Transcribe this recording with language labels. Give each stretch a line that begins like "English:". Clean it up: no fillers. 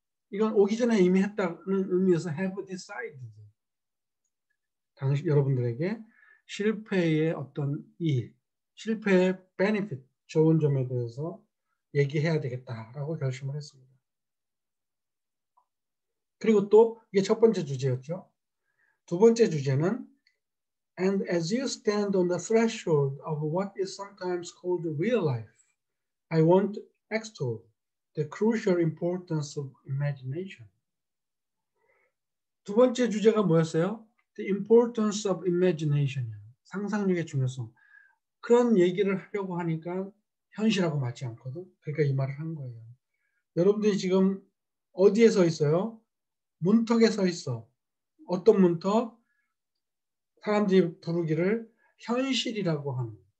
Korean: 이건 오기 전에 이미 했다는 의미에서 have decided. 당시 여러분들에게 실패의 어떤 이익, 실패의 benefit, 좋은 점에 대해서 얘기해야 되겠다라고 결심을 했습니다. 그리고 또 이게 첫 번째 주제였죠. 두 번째 주제는
English: And as you stand on the threshold of what is sometimes called real life, I want to extol the crucial importance of imagination.
Korean: 두 번째 주제가 뭐였어요?
English: The importance of imagination.
Korean: 상상력의 중요성. 그런 얘기를 하려고 하니까 현실하고 맞지 않거든. 그러니까 이 말을 한 거예요. 여러분들이 지금 어디에 서 있어요? 문턱에 서 있어. 어떤 문턱? 사람들이 부르기를 현실이라고 하는.